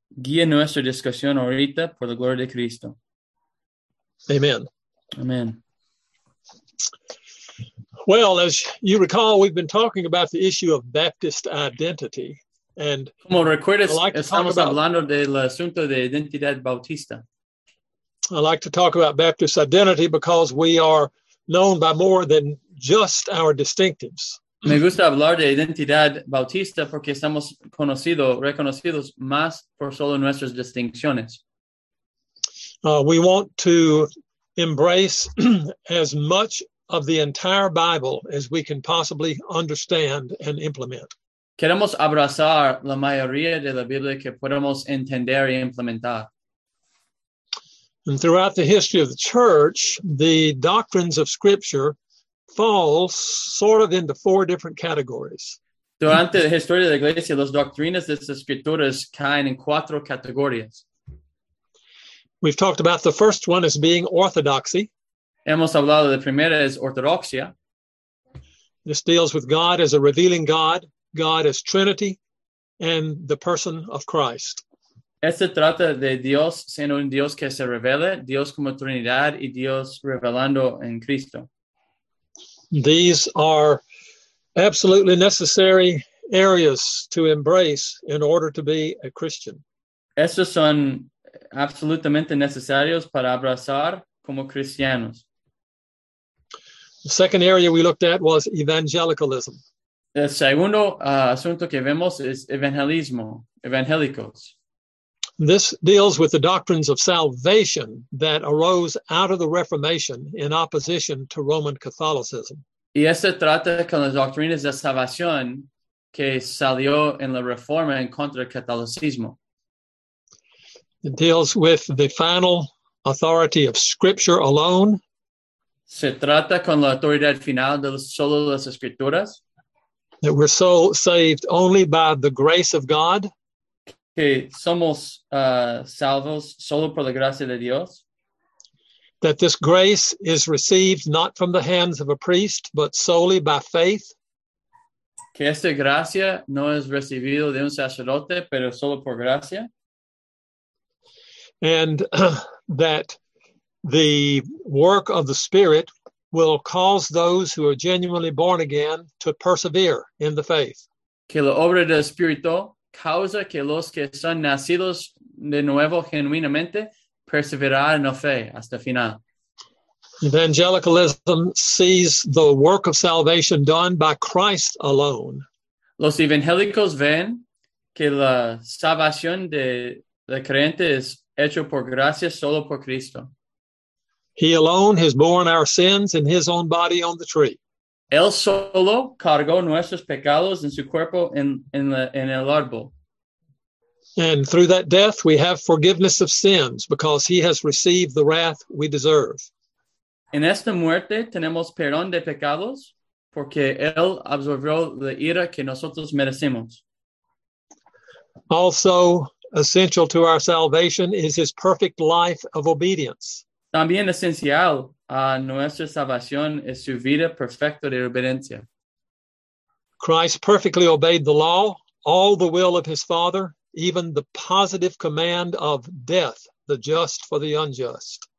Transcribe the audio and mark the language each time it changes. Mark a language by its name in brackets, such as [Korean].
[Spanish] Guía nuestra discusión ahorita por la gloria de Cristo. [English] Amen. Amen. Well, as you recall, we've been talking about the issue of Baptist identity, and [Spanish] como recuerdas, estamos hablando del asunto de identidad bautista. [English] I like to talk about Baptist identity because we are known by more than just our distinctives. [Spanish] Me gusta hablar de identidad bautista porque estamos reconocidos más por solo nuestras distinciones. [English] We want to embrace as much of the entire Bible as we can possibly understand and implement. [Spanish] Queremos abrazar la mayoría de la Biblia que podemos entender y implementar. [English] And throughout the history of the church, the doctrines of Scripture fall sort of into four different categories. [Spanish] Durante la historia de la iglesia, las doctrinas de las escrituras caen en cuatro categorías. [English] We've talked about the first one as being orthodoxy. [Spanish] Hemos hablado de primera es ortodoxia. [English] This deals with God as a revealing God, God as Trinity, and the person of Christ. [Spanish] Este trata de Dios siendo un Dios que se revela, Dios como Trinidad y Dios revelando en Cristo. [English] These are absolutely necessary areas to embrace in order to be a Christian. [Spanish] Estos son absolutamente necesarios para abrazar como cristianos. [English] The second area we looked at was evangelicalism. [Spanish] El segundo asunto que vemos es evangelismo, evangélicos. [English] This deals with the doctrines of salvation that arose out of the Reformation in opposition to Roman Catholicism. [Spanish] Y este trata con las doctrinas de salvación que salió en la Reforma en contra del catolicismo. [English] It deals with the final authority of Scripture alone. [Spanish] Se trata con la autoridad final de solo las escrituras. [English] That we're so saved only by the grace of God. [Spanish] Que somos salvos solo por la gracia de Dios. [English] That this grace is received not from the hands of a priest, but solely by faith. [Spanish] Que esta gracia no es recibido de un sacerdote, pero solo por gracia. [English] And that the work of the Spirit will cause those who are genuinely born again to persevere in the faith. [Spanish] Que la obra del Espíritu causa que los que son nacidos de nuevo genuinamente perseverar en la fe hasta final. [English] Evangelicalism sees the work of salvation done by Christ alone. [Spanish] Los evangélicos ven que la salvación de la creyente es hecho por gracia solo por Cristo. [English] He alone has borne our sins in his own body on the tree. [Spanish] Él solo cargó nuestros pecados en su cuerpo en el árbol. [English] And through that death, we have forgiveness of sins because he has received the wrath we deserve. [Spanish] En esta muerte tenemos perdón de pecados porque él absorbió la ira que nosotros merecemos. [English] Also essential to our salvation is his perfect life of obedience. [Spanish] También esencial a nuestra salvación es su vida perfecta de obediencia. [English] Christ perfectly obeyed the law, all the will of his Father, even the positive command of death, the just for the unjust.